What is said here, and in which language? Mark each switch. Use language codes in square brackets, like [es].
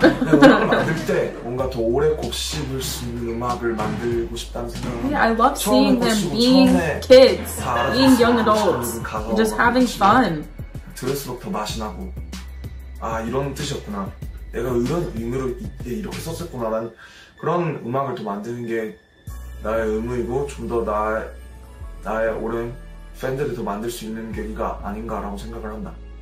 [ko] 음악을 만들 때 뭔가 더 오래 곱씹을 수 있는 음악을 만들고 싶다는 생각. [en] Yeah, I love seeing them being kids, being young adults, just having fun. [ko] 들을수록 더 맛이 나고 아 이런 뜻이었구나. 내가 이런 의미로 이렇게 썼었구나라는 그런 음악을 또 만드는 게 나의 의무이고 좀 더 나의 오랜 팬들을 더 만들 수 있는 계기가 아닌가라고 생각을 한다.